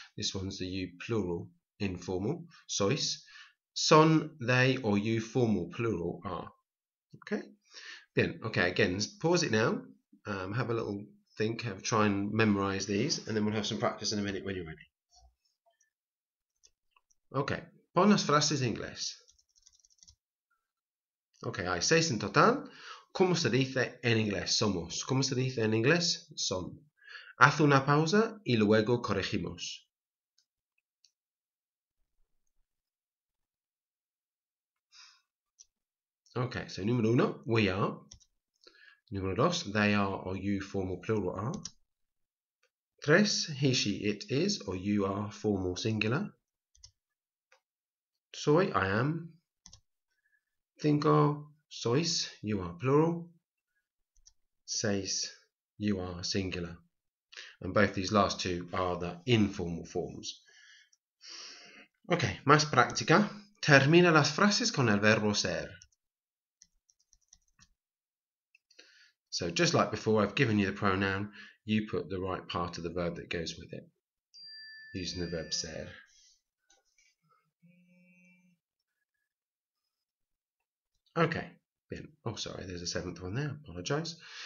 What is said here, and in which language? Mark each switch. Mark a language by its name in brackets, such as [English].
[English] This one's the you plural, informal, sois. Son, they, or you formal, plural, are. Okay? Bien. Okay, again, pause it now. Have a little think, try and memorize these, and then we'll have some practice in a minute when you're ready. [Spanish] Okay, pon las frases en inglés. Okay, ahí, seis en total. ¿Cómo se dice en inglés? Somos. ¿Cómo se dice en inglés? Son. Haz una pausa y luego corregimos. [English] Ok, so [Spanish] número uno, [English] we are. [Spanish] Número dos, [English] they are or you formal plural are. Tres, he, she, it is or you are formal singular. Soy, I am. Cinco, sois, you are plural. Seis, you are singular. And both these last two are the informal forms. [Spanish] Okay, más práctica. Termina las frases con el verbo ser. [English] So just like before, I've given you the pronoun. You put the right part of the verb that goes with it, using the verb ser. Okay, bien. Oh, sorry, there's a seventh one there. I apologize.